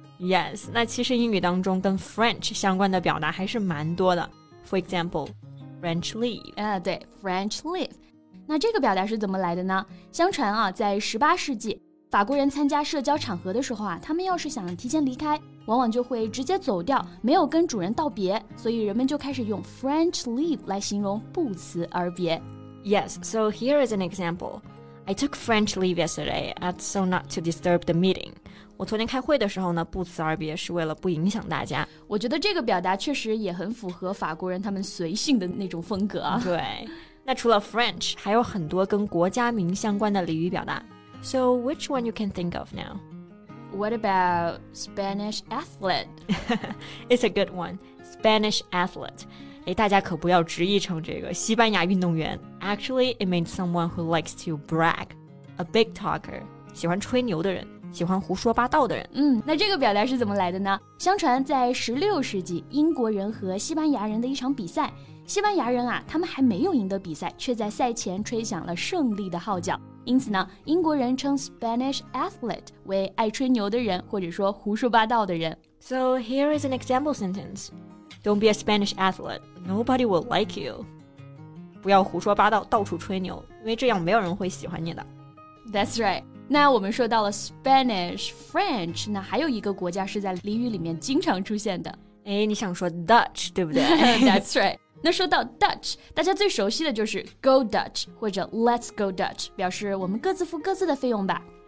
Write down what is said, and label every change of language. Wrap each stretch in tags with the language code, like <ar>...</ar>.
<zh>Yes, 那其实英语当中跟 French 相关的表达还是蛮多的。</zh> <en>For example, French leave.</en> <zh>对 French leave. 那这个表达是怎么来的呢相传啊在18世纪法国人参加社交场合的时候啊他们要是想提前离开往往就会直接走掉没有跟主人道别所以人们就开始用 French leave 来形容不辞而别</zh> <en>Yes, so here is an example I took French leave yesterday as so not to disturb the meeting</en> <zh>我昨天开会的时候呢不辞而别是为了不影响大家我觉得这个表达确实也很符合法国人他们随性的那种风格对那除了 French 还有很多跟国家名相关的俚语表达</zh> <en>So which one you can think of now What about Spanish athlete? It's a good one. Spanish athlete.</en> <zh>诶大家可不要直译成这个西班牙运动员。</zh> <en>Actually, it means someone who likes to brag. A big talker.</en> <zh>喜欢吹牛的人。喜欢胡说八道的人。那这个表达是怎么来的呢相传在16世纪英国人和西班牙人的一场比赛。西班牙人啊他们还没有赢得比赛却在赛前吹响了胜利的号角。因此呢英国人称 Spanish athlete 为爱吹牛的人或者说胡说八道的人。</zh> <en>So here is an example sentence. Don't be a Spanish athlete. Nobody will like you.</en> <zh>不要胡说八道到处吹牛因为这样没有人会喜欢你的。</zh> <en>That's right.</en> <zh>那我们说到了 Spanish, French, 那还有一个国家是在俚语里面经常出现的。哎，你想说 Dutch, 对不对</zh> <en>That's right.</en> <zh>那说到 Dutch, 大家最熟悉的就是 Go Dutch, 或者 Let's Go Dutch, 表示我们各自付各自的费用吧。</zh>